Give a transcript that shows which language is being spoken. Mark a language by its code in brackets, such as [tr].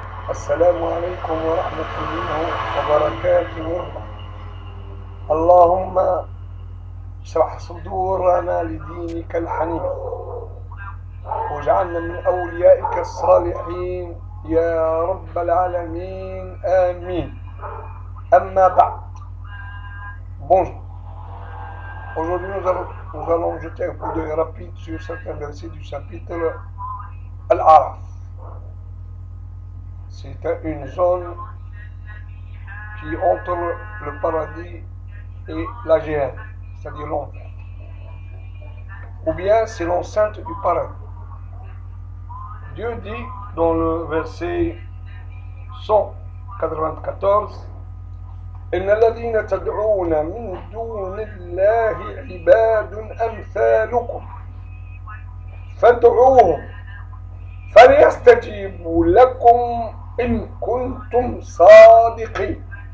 [ar] السلام عليكم ورحمة الله وبركاته. اللهم اشرح صدورنا لدينك الحنيف واجعلنا من أوليائك الصالحين يا رب العالمين، آمين. أما بعد، [fr] aujourd'hui nous allons jeter un coup d'œil rapide sur certains versets du chapitre Al-A'raf. C'est une zone qui entre le paradis et la géhenne, c'est-à-dire l'enfer. Ou bien c'est l'enceinte du paradis. Dieu dit dans le verset 194: [ar] إن الذين تدعون من دون الله عباد أمثالكم فادعوهم فليستجيبوا لكم إن كنتم صادقين